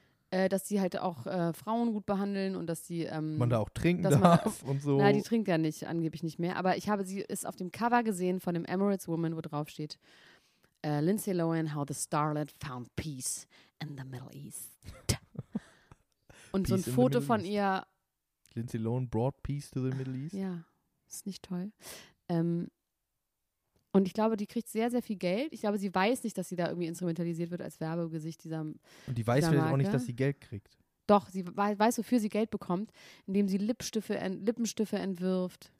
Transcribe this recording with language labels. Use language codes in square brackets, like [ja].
[de] dass sie halt auch Frauen gut behandeln und dass sie... man da auch trinken darf und so. Nein, die trinkt ja nicht, angeblich nicht mehr. Aber ich habe sie, ist auf dem Cover gesehen von dem Emirates Woman, wo drauf steht Lindsay Lohan, [en] how the starlet found peace in the Middle East. [de] Und so ein Foto von ihr... [en] Lindsay Lohan brought peace to the Middle East? [de] Ja, ist nicht toll. Und ich glaube, die kriegt sehr, sehr viel Geld. Ich glaube, sie weiß nicht, dass sie da irgendwie instrumentalisiert wird als Werbegesicht dieser Marke. Und die weiß vielleicht auch nicht, dass sie Geld kriegt. Doch, sie weiß, wofür sie Geld bekommt, indem sie Lippenstifte entwirft.